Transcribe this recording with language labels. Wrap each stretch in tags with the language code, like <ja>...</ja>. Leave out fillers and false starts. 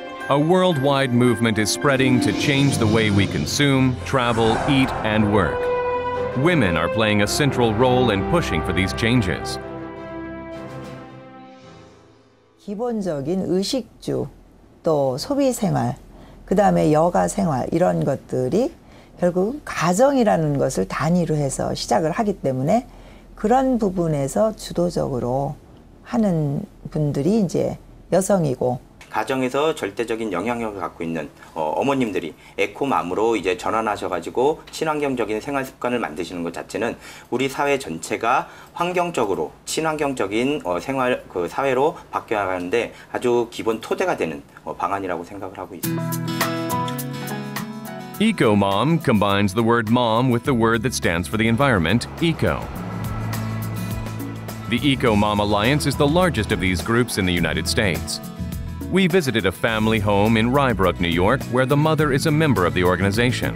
<en>A worldwide movement is spreading to change the way we consume, travel, eat, and work. Women are playing a central role in pushing for these changes.</en> <ko>기본적인 의식주, 또 소비 생활, 그다음에 여가 생활 이런 것들이 결국 가정이라는 것을 단위로 해서 시작을 하기 때문에 그런 부분에서 주도적으로 하는 분들이 이제 여성이고 가정에서 절대적인 영향력을 갖고 있는 어머님들이 에코맘으로 이제 전환하셔가지고 친환경적인 생활 습관을 만드시는 것 자체는 우리 사회 전체가 환경적으로 친환경적인 생활 그 사회로 바뀌어 가는데 아주 기본 토대가 되는 방안이라고 생각을 하고 있습니다.</ko> <en>Eco-mom combines the word mom with the word that stands for the environment, eco. The Eco-mom Alliance is the largest of these groups in the United States. We visited a family home in Rybrook, New York, where the mother is a member of the organization.</en>